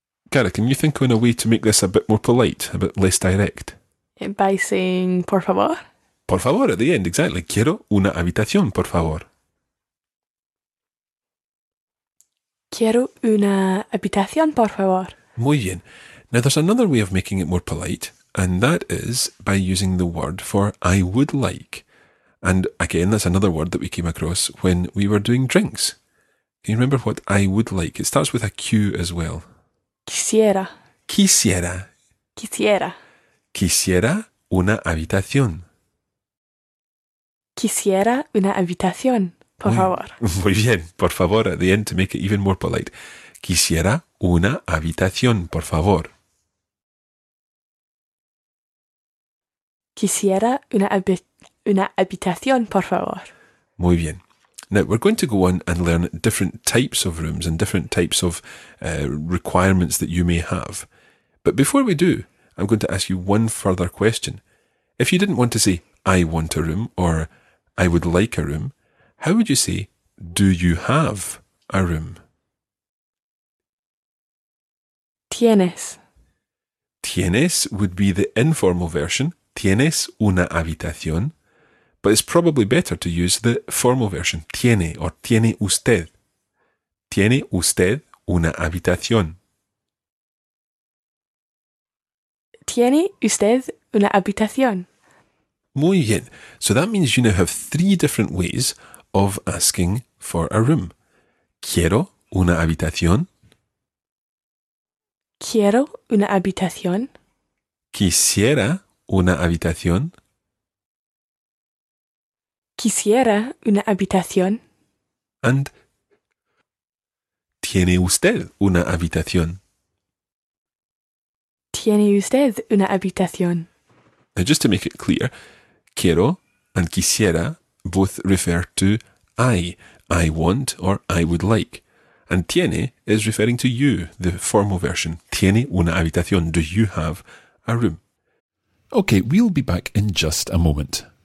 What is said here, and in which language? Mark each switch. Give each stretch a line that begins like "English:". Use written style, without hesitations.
English: Cara, can you think of a way to make this a bit more polite, a bit less direct? By saying,
Spanish: por favor. Por favor,
English: at the end, exactly.
Spanish: Quiero una habitación, por favor. Quiero una habitación, por favor. Muy bien.
English: Now, there's another way of making it more polite, and that is by using the word for I would like. And again, that's another word that we came across when we were doing drinks. Can you remember what I would like? It starts with a Q as well.
Spanish: Quisiera. Quisiera. Quisiera. Quisiera una habitación. Quisiera una habitación. Por favor. Muy bien, por favor,
English: at the end to make it even more polite.
Spanish: Quisiera una habitación, por favor. Quisiera una habitación, por favor. Muy bien.
English: Now, we're going to go on and learn different types of rooms and different types of requirements that you may have. But before we do, I'm going to ask you one further question. If you didn't want to say, I want a room or I would like a room, how would you say, do you have a room?
Spanish: Tienes.
English: Tienes would be the informal version,
Spanish: tienes una habitación,
English: but it's probably better to use the formal version,
Spanish: tiene or tiene usted. Tiene usted una habitación. Tiene usted una habitación. Muy bien.
English: So that means you now have three different ways of asking for a room.
Spanish: Quiero una habitación. Quiero una habitación. Quisiera una habitación. Quisiera una habitación.
English: And
Spanish: tiene usted una habitación. Tiene usted una habitación.
English: Now, just to make it clear, quiero and quisiera both refer to I want or I would like. And tiene is referring to you, the formal version.
Spanish: Tiene una habitación.
English: Do you have a room? Okay, we'll be back in just a moment.